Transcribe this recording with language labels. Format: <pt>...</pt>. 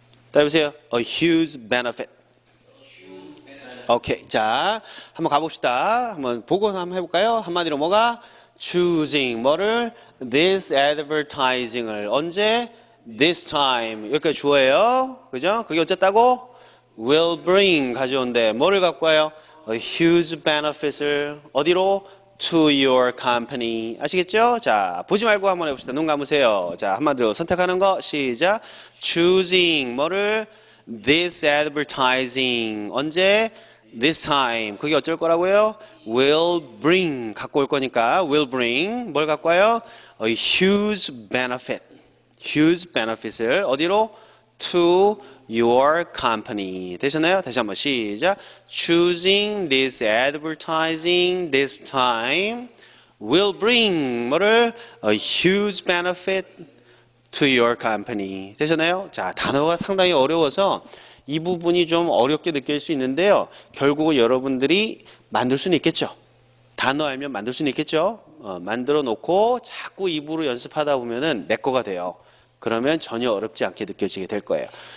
<ko>따라해보세요.</ko> <en>A huge benefit.</en> <ko>오케이, 자, 한번 가봅시다. 한번 보고 한번 해볼까요? 한마디로 뭐가?</ko> <en>Choosing</en> <ko>뭐를?</ko> <en>This advertising을</en> <ko>언제?</ko> <en>This time</en> <ko>여기까지 주어예요, 그죠? 그게 어쨌다고?</ko> <en>will bring</en> <ko>가져온대. 뭐를 갖고 와요?</ko> <en>A huge benefit을</en> <ko>어디로?</ko> <en>To your company.</en> <ko>아시겠죠? 자, 보지 말고 한번 해봅시다. 눈 감으세요. 자, 한마디로 선택하는 거 시작.</ko> <en>Choosing</en> <ko>뭐를?</ko> <en>This advertising.</en> <ko>언제?</ko> <en>This time.</en> <ko>그게 어쩔 거라고요?</ko> <en>Will bring.</en> <ko>갖고 올 거니까. Will bring. 뭘 갖고 와요?</ko> <en>A huge benefit. Huge benefit을</en> <ko>어디로?</ko> <en>To your company.</en> <ko>되셨나요? 다시 한번 시작.</ko> <en>Choosing this advertising this time will bring</en> <ko>뭐를?</ko> <en>A huge benefit to your company.</en> <ko>되셨나요? 자, 단어가 상당히 어려워서 이 부분이 좀 어렵게 느낄 수 있는데요. 결국은 여러분들이 만들 수는 있겠죠. 단어 알면 만들 수는 있겠죠. 만들어 놓고 자꾸 입으로 연습하다 보면은 내 거가 돼요. 그러면 전혀 어렵지 않게 느껴지게 될 거예요.</ko>